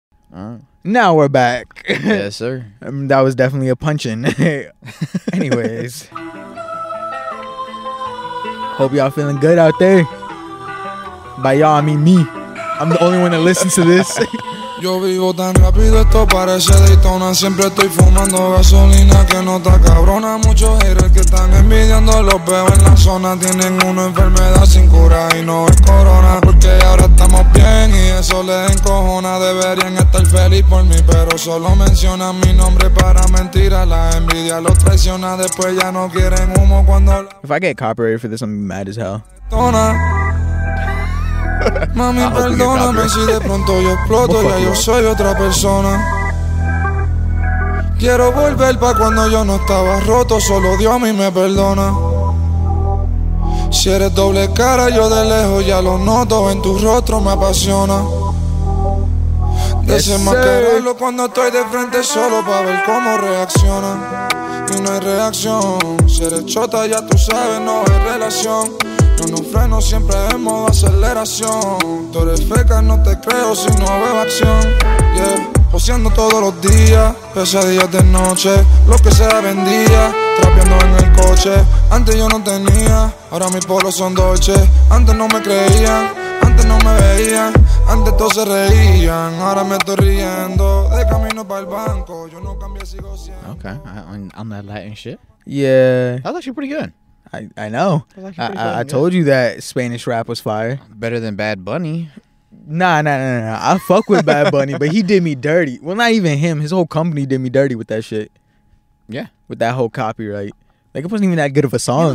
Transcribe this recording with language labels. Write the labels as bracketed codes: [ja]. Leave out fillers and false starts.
[en] Now we're back. Yes, sir. That was definitely a punch-in. Anyways. Hope y'all feeling good out there. By y'all, I mean me. I'm the only one that listens to this. [es] Yo vivo tan rápido, esto parece Daytona. Siempre estoy fumando gasolina que no está cabrona. Muchos haters que están envidiando, los veo en la zona. Tienen una enfermedad sin cura y no es corona. Porque ahora estamos bien y eso les encojona. Deberían estar feliz por mí, pero solo mencionan mi nombre para mentiras. La envidia los traiciona, después ya no quieren humo cuando... [en] If I get copyrighted for this, I'm mad as hell. [es] Mami, perdóname si de pronto yo exploto. Ya yo soy otra persona. Quiero volver pa' cuando yo no estaba roto. Solo Dios a mí me perdona. Si eres doble cara, yo de lejos ya lo noto. En tu rostro me apasiona. Desenmascararlo cuando estoy de frente solo pa' ver cómo reacciona. y no hay reacción. Si eres chota, ya tú sabes, no hay relación. Yo no freno, siempre en modo aceleración. Tú eres feca, no te creo si no veo acción. Yeah, poseando todos los días, pesadillas de noche. Lo que sea vendía, trapeando en el coche. Antes yo no tenía, ahora mis polos son Dolce. Antes no me creían, antes no me veían. Antes todos se reían, ahora me estoy riendo. De camino para el banco, yo no cambié, sigo siendo. [en] Okay, on that Latin shit. Yeah. That was actually pretty good. I know. I told you that Spanish rap was fire. Better than Bad Bunny. Nah. I fuck with Bad Bunny, but he did me dirty. Well, not even him. His whole company did me dirty with that shit. Yeah. With that whole copyright. Like, it wasn't even that good of a song.